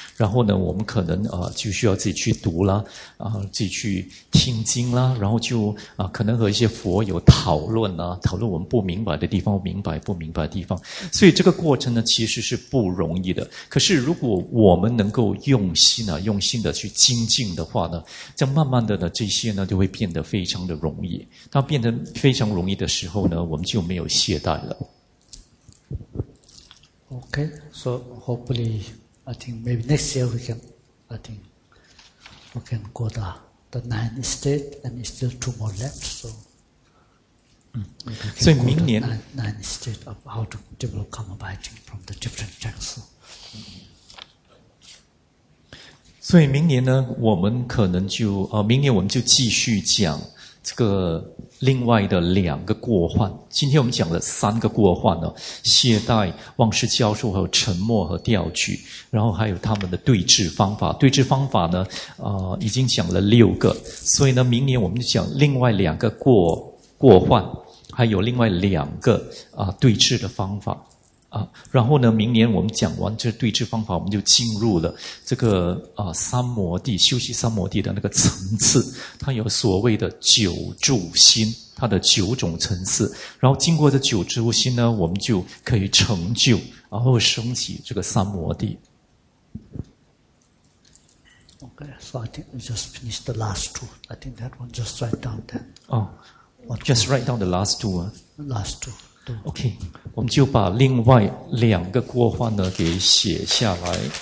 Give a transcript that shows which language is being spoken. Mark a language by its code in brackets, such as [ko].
[zh] 然后呢，我们可能就需要自己去读啦，自己去听经啦，然后就可能和一些佛友讨论啦，讨论我们不明白的地方，明白不明白的地方。所以这个过程呢，其实是不容易的。可是如果我们能够用心啊，用心的去精进的话呢，这样慢慢的呢，这些呢就会变得非常的容易，它变成。非常容易的时候呢，我们就没有懈怠了。 [en] Okay, so hopefully, I think maybe next year we can, I think, we can go to the ninth state, and it's still two more left. So, [zh] 所以明年 [en] ninth state of how to develop karma biting from the different channels. [zh] 所以明年呢，我们可能就明年我们就继续讲。这个另外的两个过患，今天我们讲了三个过患呢，懈怠、忘失教授和沉默和调举，然后还有他们的对治方法。对治方法呢，已经讲了六个，所以呢，明年我们就讲另外两个过患，还有另外两个对治的方法啊。然后呢，明年我们讲完这对治方法，我们就进入了这个三摩地休息三摩地的那个层次。它有所谓的九住心，它的九种层次。然后经过这九住心呢，我们就可以成就，然后升起这个三摩地。 [en] Okay, so I think we just finished the last two. I think that one just write down then. Oh, just write down the last two. Last two. [zh] OK, 我们就把另外两个过患呢给写下来。